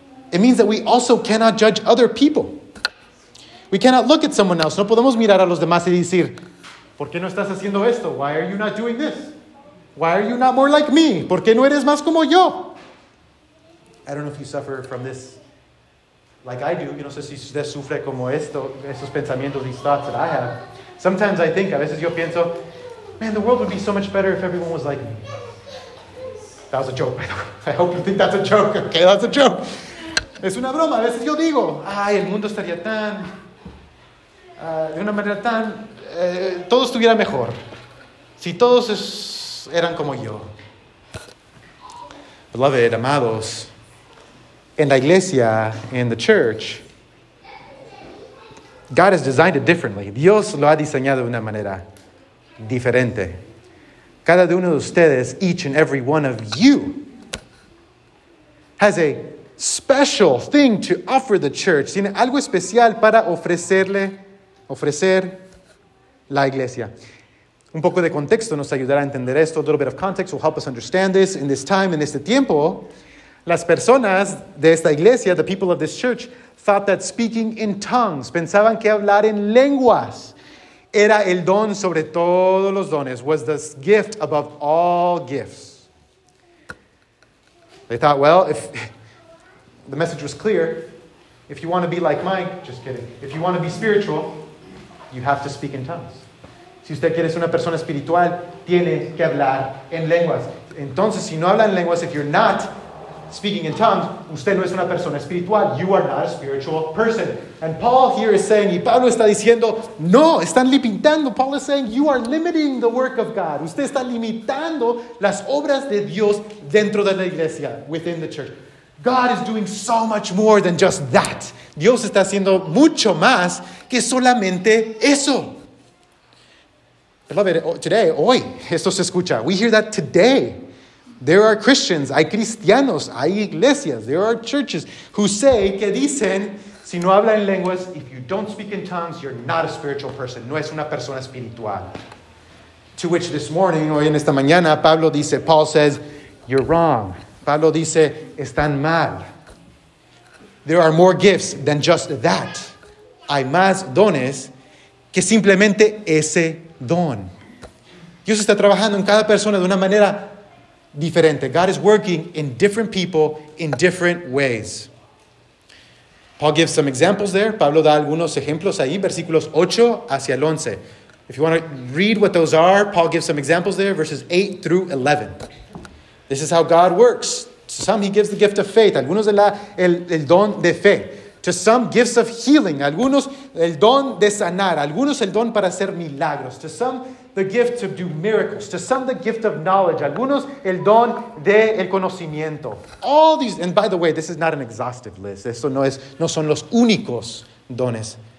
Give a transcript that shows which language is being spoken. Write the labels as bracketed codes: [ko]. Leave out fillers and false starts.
[en] It means that we also cannot judge other people. We cannot look at someone else. [es] No podemos mirar a los demás y decir, ¿por qué no estás haciendo esto? [en] Why are you not doing this? Why are you not more like me? [es] ¿Por qué no eres más como yo? [en] I don't know if you suffer from this like I do. [es] Yo no sé si usted sufre como esto, esos pensamientos, [en] these thoughts that I have. Sometimes I think, [es] a veces yo pienso, [en] man, the world would be so much better if everyone was like me. That was a joke, by the way. I hope you think that's a joke. Okay, that's a joke. [es] Es una broma. A veces yo digo, ay, el mundo estaría tan, de una manera tan, todo estuviera mejor. Si todos eran como yo. [en] Beloved, [es] amados, en la iglesia, [en] in the church, God has designed it differently. [es] Dios lo ha diseñado de una manera diferente. Cada uno de ustedes, [en] each and every one of you, has a special thing to offer the church. [es] Tiene algo especial para ofrecer la iglesia. Un poco de contexto nos ayudará a entender esto. [en] A little bit of context will help us understand this. In this time, [es] in este tiempo, las personas de esta iglesia, [en] the people of this church, thought that speaking in tongues, [es] pensaban que hablar en lenguas, era el don sobre todos los dones. [en] Was the gift above all gifts. They thought, well, if the message was clear, if you want to be like Mike, just kidding, if you want to be spiritual, you have to speak in tongues. [es] Si usted quiere ser una persona espiritual, tiene que hablar en lenguas. Entonces, si no habla en lenguas, [en] if you're not speaking in tongues, [es] usted no es una persona espiritual. [en] You are not a spiritual person. And Paul here is saying, [es] y Pablo está diciendo, no, están limitando. [en] Paul is saying, you are limiting the work of God. [es] Usted está limitando las obras de Dios dentro de la iglesia, [en] within the church. God is doing so much more than just that. [es] Dios está haciendo mucho más que solamente eso. [en] Beloved, today, [es] hoy, esto se escucha. [en] We hear that today. There are Christians, [es] hay cristianos, hay iglesias, [en] there are churches who say, [es] que dicen, si no habla en lenguas, [en] if you don't speak in tongues, you're not a spiritual person, [es] no es una persona espiritual. [en] To which this morning, [es] hoy en esta mañana, Pablo dice, [en] Paul says, you're wrong. [es] Pablo dice, están mal. [en] There are more gifts than just that. [es] Hay más dones que simplemente ese don. Dios está trabajando en cada persona de una manera diferente. [en] God is working in different people in different ways. Paul gives some examples there. [es] Pablo da algunos ejemplos ahí, versículos 8 hacia el 11. [en] If you want to read what those are, Paul gives some examples there, verses 8 through 11. This is how God works. To some, he gives the gift of faith. [es] Algunos de la, el don de fe. [en] To some, gifts of healing. [es] Algunos, el don de sanar. Algunos, el don para hacer milagros. [en] To some, the gift to do miracles. To some, the gift of knowledge. [es] Algunos, el don de el conocimiento. [en] All these, and by the way, this is not an exhaustive list. [es] Esto no es, no son los únicos dones.